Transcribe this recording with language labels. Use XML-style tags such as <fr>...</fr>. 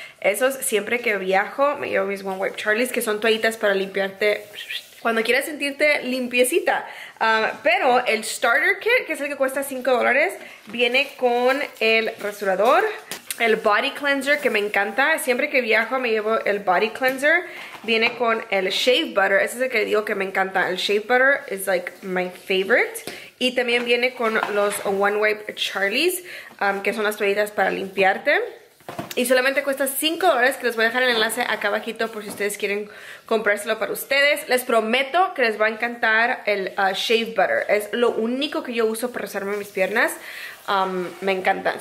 <es>Esos, siempre que viajo, me llevo mis One Wipe Charlies, que son toallitas para limpiarte cuando quieras sentirte limpiecita. Pero el Starter Kit, que es el que cuesta $5, viene con el rasurador, el Body Cleanser, que me encanta. Siempre que viajo me llevo el Body Cleanser. Viene con el Shave Butter. Ese es el que digo que me encanta.</es> <en>El Shave Butter is like my favorite.</en> <es>Y también viene con los One Wipe Charlies, que son las toallitas para limpiarte. Y solamente cuesta $5, que les voy a dejar el enlace acá abajito por si ustedes quieren comprárselo para ustedes. Les prometo que les va a encantar el Shave Butter. Es lo único que yo uso para rasarme mis piernas. Me encanta.</es>